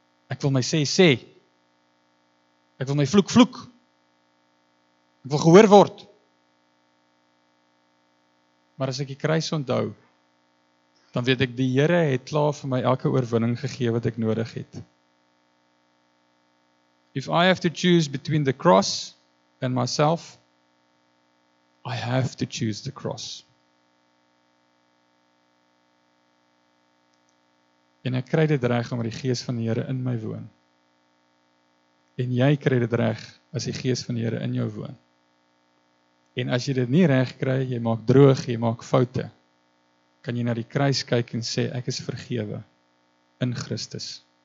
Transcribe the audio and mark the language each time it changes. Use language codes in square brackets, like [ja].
[af] Ek wil my sê, sê. Ek wil my vloek, vloek. Ek wil gehoor word. Maar as ek die kruis onthou, dan weet ek, die Here het klaar vir my elke oorwinning gegee wat ek nodig het. [en] If I have to choose between the cross and myself, I have to choose the cross. [af] En ek kry dit reg omdat die Gees van die Here in my woon. En jy kry dit reg as die Gees van die Here in jou woon. En as jy dit nie reg kry, jy maak droog, jy maak foute, kan jy na die kruis kyk en sê, ek is vergewe in Christus.